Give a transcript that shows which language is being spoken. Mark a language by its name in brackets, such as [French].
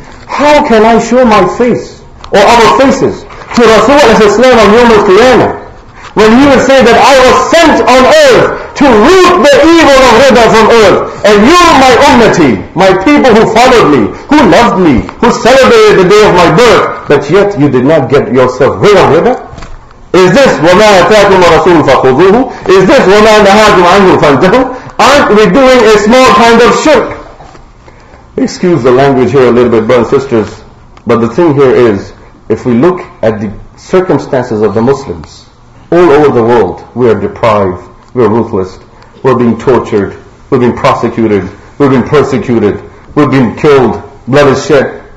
[English] How can I show my face or our faces to Rasul as a slave on Yawm al-Qiyamah when he would say that I was sent on earth to root the evil of riba from earth, and you, my ummati, my people who followed me, who loved me, who celebrated the day of my birth, but yet you did not get yourself rid of riba? Is this [Arabic] وَمَا أَتَاكُمْ رَسُولُ فَخُذُوهُ? [English] Is this [Arabic] وَمَا نَهَاكُمْ عَنْهُ فَانْتَهُ? [English] Aren't we doing a small kind of shirk? Excuse the language here a little bit, brothers and sisters, but the thing here is, if we look at the circumstances of the Muslims, all over the world, we are deprived, we are ruthless, we are being tortured, we are being prosecuted, we are being persecuted, we are being killed, blood is shed.